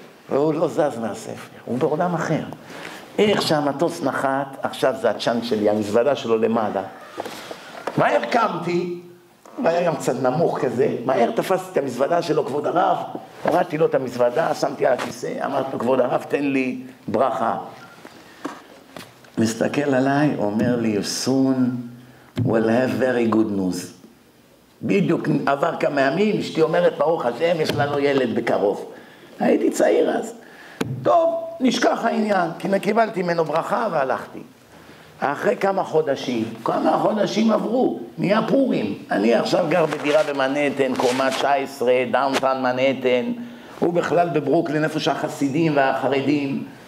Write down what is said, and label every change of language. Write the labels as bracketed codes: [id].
[he] והוא לא זז מהספר, הוא בעולם אחר. איך שהמטוס נחת, עכשיו זה הצ'אנט שלי, המזוודה שלו למעלה. מהר קמתי, היה גם קצת נמוך כזה, מהר תפסתי את המזוודה שלו, כבוד הרב, הורדתי לו את המזוודה, שמתי על הכיסא, אמרתי לו, כבוד הרב, תן לי ברכה. [en] מסתכל עליי, אומר לי, you soon will have very good news. [he] בדיוק עבר כמה ימים, אשתי אומרת, ברוך השם, יש לנו ילד בקרוב. הייתי צעיר אז. טוב, נשכח העניין, כי נקיבלתי ממנו ברכה והלכתי. אחרי כמה חודשים עברו, נהיה פורים. אני עכשיו גר בדירה במנהטן, קומה 19, דאונטאון מנהטן, הוא בכלל בברוקלין, איפה שהחסידים והחרדים.